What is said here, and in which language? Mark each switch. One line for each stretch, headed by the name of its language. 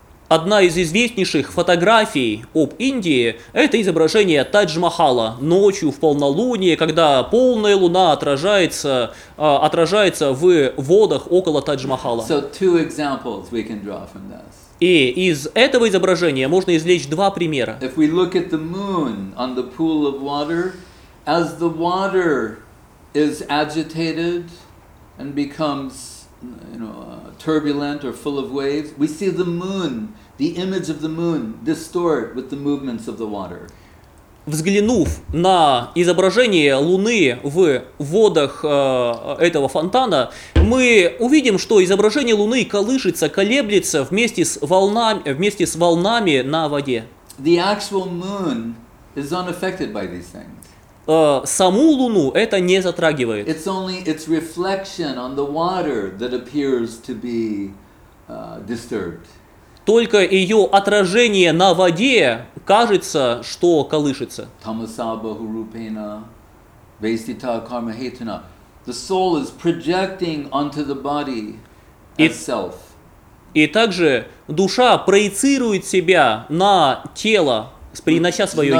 Russian: Одна из известнейших фотографий об Индии – это изображение Тадж-Махала ночью в полнолуние, когда полная луна отражается в водах около Тадж-Махала.
English: So two examples we can draw from this.
Russian: И из этого изображения можно извлечь два примера.
English: If we look at the moon on the pool of water, as the water is agitated and becomes, you know, turbulent or full of waves, we see the moon, the image of the moon, distort with the movements of the water.
Russian: Взглянув на изображение Луны в водах этого фонтана, мы увидим, что изображение Луны колышется, колеблется вместе с волнами на воде.
English: The actual moon is unaffected by these things.
Russian: Саму Луну это не затрагивает.
English: It's only its reflection on the water that appears to be disturbed.
Russian: Только ее отражение на воде кажется, что колышется.
Sanskrit: Tamasaba hurupena vaisita karmahetana.
English: The soul is projecting onto the body itself.
Russian: И также душа проецирует себя на тело, принося свое